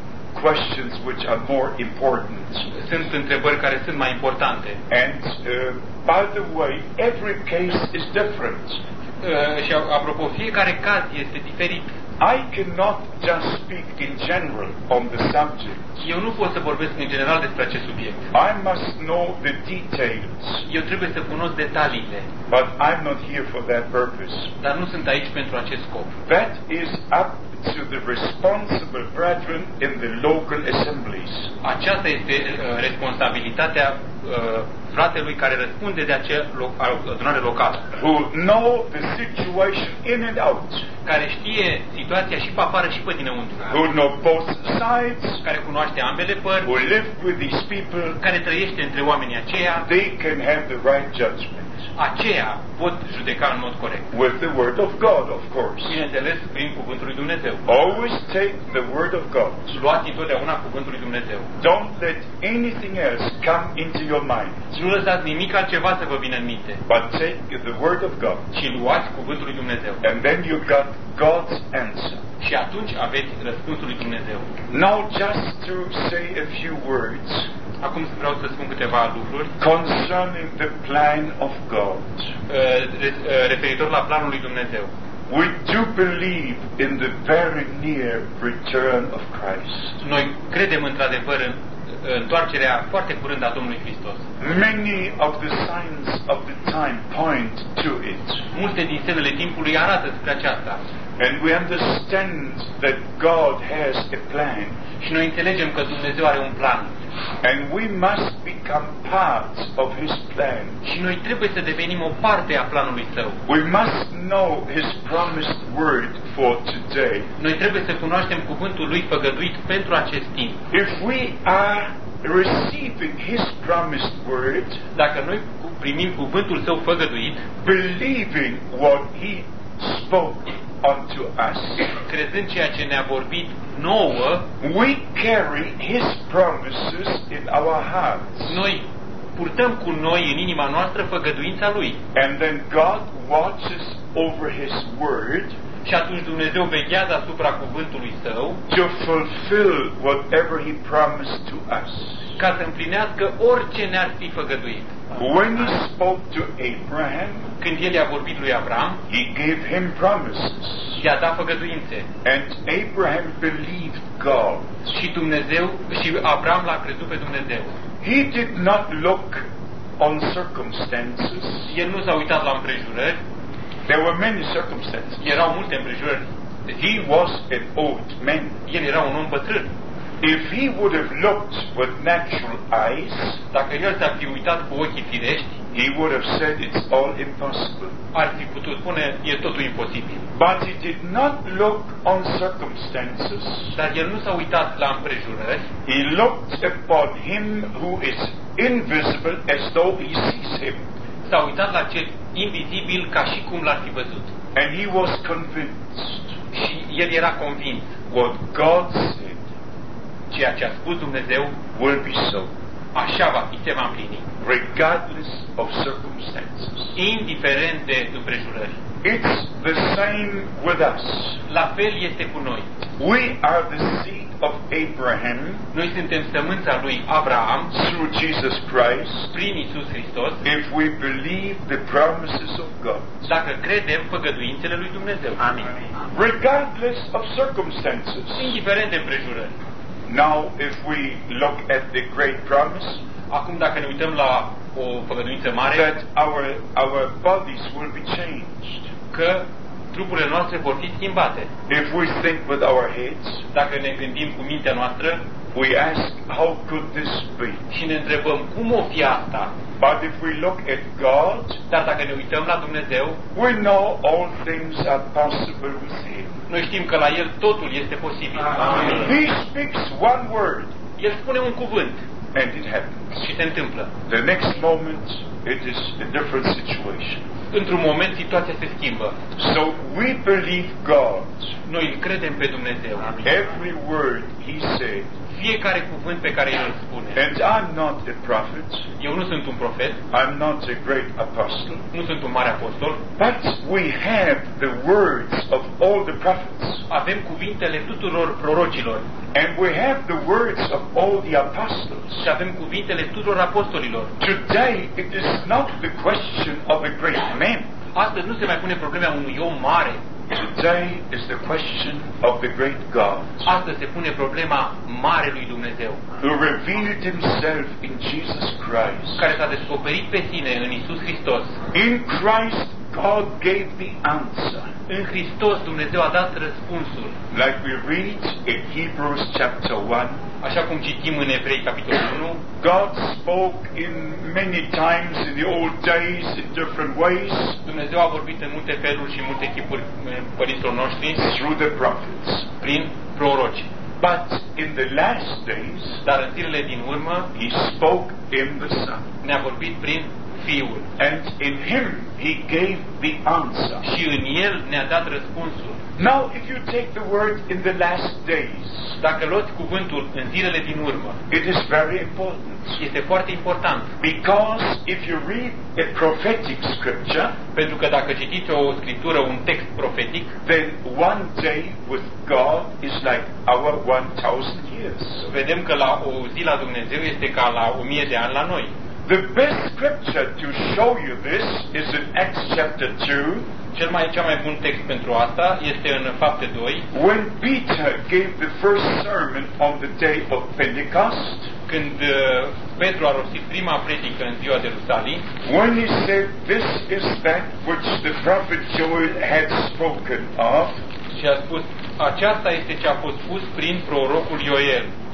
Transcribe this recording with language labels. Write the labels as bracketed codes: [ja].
[en] Questions which are more important. [ro] Sunt întrebări care sunt mai importante. [en] And by the way, every case is different. [ro] Și apropo, fiecare caz este diferit. [en] I cannot just speak in general on the subject. [ro] Eu nu pot să vorbesc în general despre acest subiect. [en] I must know the details. [ro] Eu trebuie să cunosc detaliile. [en] But I'm not here for that purpose. [ro] Dar nu sunt aici pentru acest scop. [en] That is up to the responsible brethren in the local assemblies. [ro] Aceasta este responsabilitatea fratelui care răspunde de acea adunare locală. [en] Who know the situation in and out. [ro] Care știe situația și pe afară și pe dinăuntru. [en] Who know both sides. [ro] Care cunoaște ambele părți. [en] Who live with these people. [ro] Care trăiește între oamenii aceia. [en] They can have the right judgment. [ro] aceea pot judeca în mod corect. [en] With the word of God, of course. [ro] Bineînțeles, prin cuvântul lui Dumnezeu. [en] Always take the word of God. [ro] Luați întotdeauna cuvântul lui Dumnezeu. [en] Don't let anything else come into your mind. [ro] Nu lăsați nimic altceva să vă vină în minte. [en] But take the word of God. [ro] Și luați cuvântul lui Dumnezeu. [en] And then you've got God's answer. [ro] Și atunci aveți răspunsul lui Dumnezeu. [en] Now just to say a few words. [ro] Acum vreau să spun câteva lucruri. [en] Concerning the plan of God. [ro] Referitor la planul lui Dumnezeu. [en] We do believe in the very near return of Christ. [ro] Noi credem într-adevăr în întoarcerea foarte curând a Domnului Hristos. [en] Many of the signs of the time point to it. [ro] Multe din semnele timpului arată spre aceasta. [en] And we understand that God has a plan. [ro] Și noi înțelegem că Dumnezeu are un plan. [en] And we must become part of his plan. [ro] Și noi trebuie să devenim o parte a planului său. [en] We must know his promised word for today. [ro] Noi trebuie să cunoaștem cuvântul lui făgăduit pentru acest timp. [en] If we are receiving his promised word, [ro] dacă noi primim cuvântul său făgăduit, [en] believing what he spoke unto us, [ro] credând ceea ce ne-a vorbit nouă, [en] we carry his promises in our hearts. [ro] Noi purtăm cu noi în inima noastră făgăduința lui. [en] And then God watches over his word. [ro] Și atunci Dumnezeu veghează asupra cuvântului său. [en] To fulfill whatever he promised to us. [ro] Ca să împlinească orice ne-ar fi făgăduit. [en] When he spoke to Abraham, [ro] când el i-a vorbit lui Abraham, [en] he gave him promises. [ro] I-a dat făgăduințe. [en] And Abraham believed God. [ro] Și Dumnezeu, și Abraham l-a crezut pe Dumnezeu. [en] He did not look on circumstances. [ro] El nu s-a uitat la împrejurări. [en] There were many circumstances. [ro] Erau multe împrejurări. [en] He was an old man. [ro] El era un om bătrân. [en] If he would have looked with natural eyes, [ro] dacă el s-ar fi uitat cu ochii firești, [en] he would have said it's all impossible. [ro] Ar fi putut spune e totul imposibil. [en] But he did not look on circumstances. [ro] Dar el nu s-a uitat la împrejurări. [en] He looked upon him who is invisible as though he sees him. [ro] S-a uitat la cel invizibil ca și cum l-ar fi văzut. [en] And he was convinced. [ro] Și el era convins. [en] What God said, [ro] ceea ce a spus Dumnezeu, [en] will be so. [ro] Așa va fi, se va împlini. [en] Regardless of circumstances. [ro] Indiferent de împrejurări. [en] It's the same with us. [ro] La fel este cu noi. [en] We are the seed of Abraham. [ro] Noi suntem sămânța lui Abraham. [en] Through Jesus Christ. [ro] Prin Iisus Hristos. [en] If we believe the promises of God. [ro] Dacă credem făgăduințele lui Dumnezeu. Amin. [en] Regardless of circumstances. [ro] Indiferent de împrejurări. [en] Now if we look at the great promise, [ro] acum dacă ne uităm la o făgăduință mare, [en] that our bodies will be changed, [ro] că trupurile noastre vor fi schimbate. [en] If we think with our heads, [ro] dacă ne gândim cu mintea noastră, [en] we ask how could this be? [ro] Și ne întrebăm cum o fi asta? [en] But if we look at God, [ro] dar dacă ne uităm la Dumnezeu, [en] we know all things are possible with him. [ro] Noi știm că la el totul este posibil. [en] He speaks one word. [ro] El spune un cuvânt. [en] And it happens. [ro] Și se întâmplă. [en] The next moment it is a different situation. [ro] Într-un moment situația se schimbă. [en] So we believe God. [ro] Noi îl credem pe Dumnezeu. [en] Every word he said. [ro] Fiecare cuvânt pe care el îl spune. [en] And I'm not a prophet. [ro] Eu nu sunt un profet. [en] I'm not a great apostle. [ro] Nu sunt un mare apostol. [en] But we have the words of all the prophets. [ro] Avem cuvintele tuturor prorocilor. [en] And we have the words of all the apostles. [ro] Și avem cuvintele tuturor apostolilor. [en] Today it is not the question of a great man. [ro] Astăzi nu se mai pune problema unui om mare. [en] Today is the question of the great God. [ro] Astăzi se pune problema marelui Dumnezeu. [en] Who revealed himself in Jesus Christ. [ro] Care s-a descoperit pe sine în Iisus Hristos. [en] In Christ God gave the answer. [ro] În Hristos Dumnezeu a dat răspunsul. [en] Like we read in Hebrews chapter 1. [ro] Așa cum citim în Evrei capitolul 1. [en] God spoke in many times in the old days in different ways. [ro] Dumnezeu a vorbit în multe feluri și în multe chipuri părinților noștri. [en] Through the prophets. [ro] Prin proroci. [en] But in the last days. [ro] Dar în zilele din urmă. [en] He spoke in the Son. [ro] Ne-a vorbit prin Fiul. [en] And in him he gave the answer. [ro] Și în el ne-a dat răspunsul. [en] Now if you take the word in the last days. [ro] Dacă luați cuvântul în zilele din urmă. [en] It is very important. [ro] Este foarte important. [en] Because if you read a prophetic scripture, [ro] pentru că dacă citiți o scriptură, un text profetic, [en] then one day with God is like our 1000 years. [ro] Vedem că la o zi la Dumnezeu este ca la 1000 de ani la noi. [en] The best scripture to show you this is in Acts chapter 2. [ro] Cel mai bun text pentru asta este în Fapte 2. [en] When Peter gave the first sermon on the day of Pentecost, [ro] când Petru a rostit prima predică în ziua de Rusalii, [en] when he said this is that which the prophet Joel had spoken of, [ro] și a spus aceasta este ce a fost spus prin prorocul Ioel.